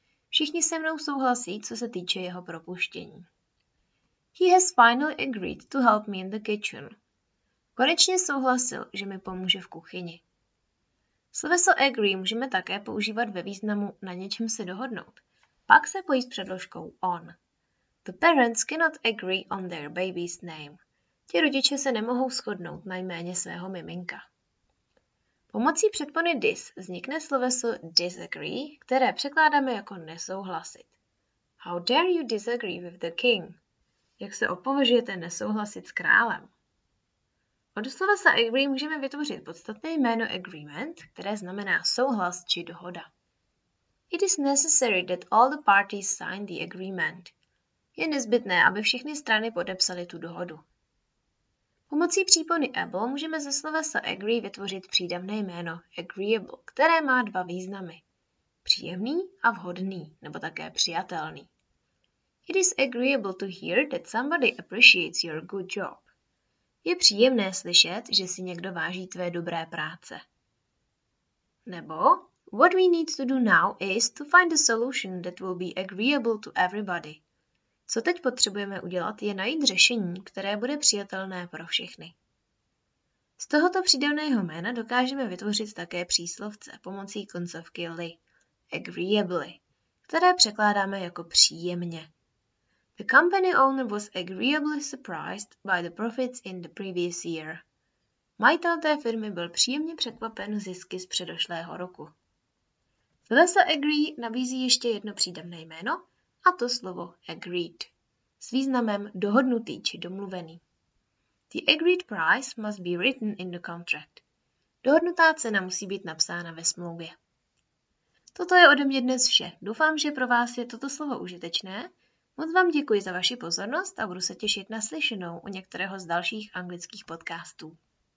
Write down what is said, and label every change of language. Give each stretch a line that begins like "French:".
Czech: Všichni se mnou souhlasí, co se týče jeho propuštění.
English: He has finally agreed to help me in the kitchen.
Czech: Konečně souhlasil, že mi pomůže v kuchyni. Sloveso agree můžeme také používat ve významu na něčem se dohodnout. Pak se pojí s předložkou on.
English: The parents cannot agree on their baby's name.
Czech: Ti rodiče se nemohou shodnout na jméně svého miminka. Pomocí předpony dis vznikne sloveso disagree, které překládáme jako nesouhlasit.
English: How dare you disagree with the king?
Czech: Jak se opovažujete nesouhlasit s králem? Od slovesa agree můžeme vytvořit podstatné jméno agreement, které znamená souhlas či dohoda.
English: It is necessary that all the parties sign the agreement.
Czech: Je nezbytné, aby všechny strany podepsaly tu dohodu. Pomocí přípony able můžeme ze slovesa agree vytvořit přídavné jméno agreeable, které má dva významy. Příjemný a vhodný, nebo také přijatelný.
English: It is agreeable to hear that somebody appreciates your good job.
Czech: Je příjemné slyšet, že si někdo váží tvé dobré práce.
English: Nebo, what we need to do now is to find a solution that will be agreeable to everybody.
Czech: Co teď potřebujeme udělat, je najít řešení, které bude přijatelné pro všechny. Z tohoto přídavného jména dokážeme vytvořit také příslovce pomocí koncovky -ly, agreeably, které překládáme jako příjemně.
English: The company owner was agreeably surprised by the profits in the previous year.
Czech: Majitel té firmy byl příjemně překvapen zisky z předošlého roku. Slovesa agree nabízí ještě jedno přídavné jméno, a to slovo agreed, s významem dohodnutý či domluvený.
English: The agreed price must be written in the contract.
Czech: Dohodnutá cena musí být napsána ve smlouvě. Toto je ode mě dnes vše. Doufám, že pro vás je toto slovo užitečné. Moc vám děkuji za vaši pozornost a budu se těšit na slyšenou u některého z dalších anglických podcastů.